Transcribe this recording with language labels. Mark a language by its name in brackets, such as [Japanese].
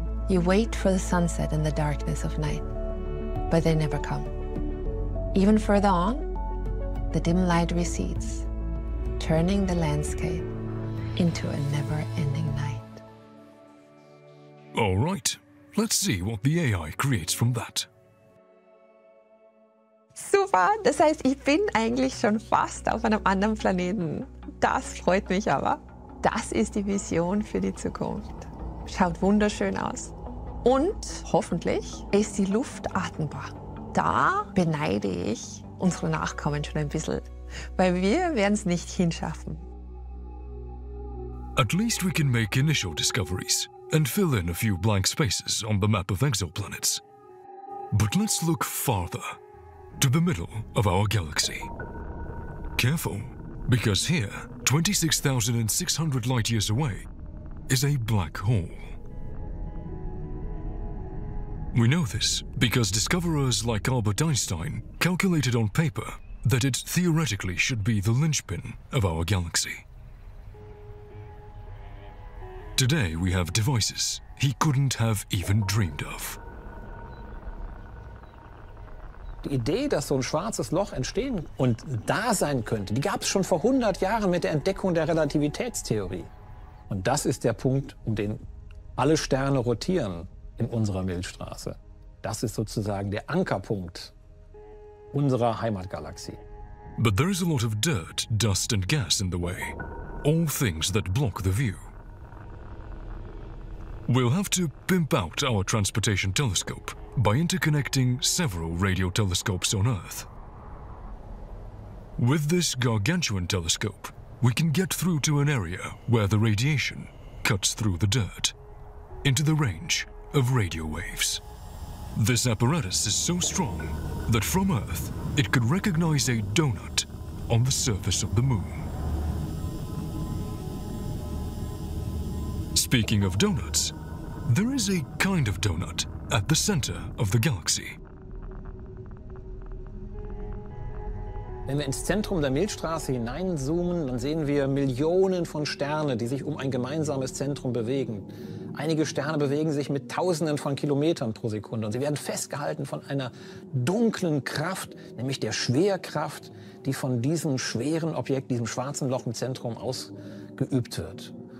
[English] You wait for the sunset in the darkness of night, but they never come. Even further on, the dim light recedes, turning the landscape into a never-ending night. All right. Let's see what the AI creates from that. [German] Super, das heißt, ich bin eigentlich schon fast auf einem anderen Planeten. Das freut mich aber. Das ist die Vision für die Zukunft. Schaut wunderschön aus. Und hoffentlich ist die Luft atembar. Da beneide ich unsere Nachkommen schon ein bisschen, weil wir werden es nicht hinschaffen. [English] At least we can make initial discoveries and fill in a few blank spaces on the map of exoplanets. But let's look farther, to the middle of our galaxy. Careful, because here, 26,600 light-years away, is a black hole. We know this because discoverers like Albert Einstein calculated on paper that it theoretically should be the linchpin of our galaxy. Today we have devices he couldn't have even dreamed of. [German] Die Idee, dass so ein schwarzes Loch entstehen und da sein könnte, die gab es schon vor 100 Jahren mit der Entdeckung der Relativitätstheorie. Und das ist der Punkt, um den alle Sterne rotieren in unserer Milchstraße. Das ist sozusagen der Ankerpunkt unserer Heimatgalaxie. [English] But there is a lot of dirt, dust and gas in the way. All things that block the view. We'll have to pimp out our transportation telescope by interconnecting several radio telescopes on Earth. With this gargantuan telescope, we can get through to an area where the radiation cuts through the dirt, into the range of radio waves. This apparatus is so strong that from Earth, it could recognize a donut on the surface of the moon. Speaking of donuts, there is a kind of donut at the center of the galaxy. [German] Wenn wir ins Zentrum der Milchstraße hineinzoomen, dann sehen wir Millionen von Sternen, die sich um ein gemeinsames Zentrum bewegen. Einige Sterne bewegen sich mit Tausenden von Kilometern pro Sekunde und sie werden festgehalten von einer dunklen Kraft, nämlich der Schwerkraft, die von diesem schweren Objekt, diesem schwarzen Loch im Zentrum ausgeübt wird.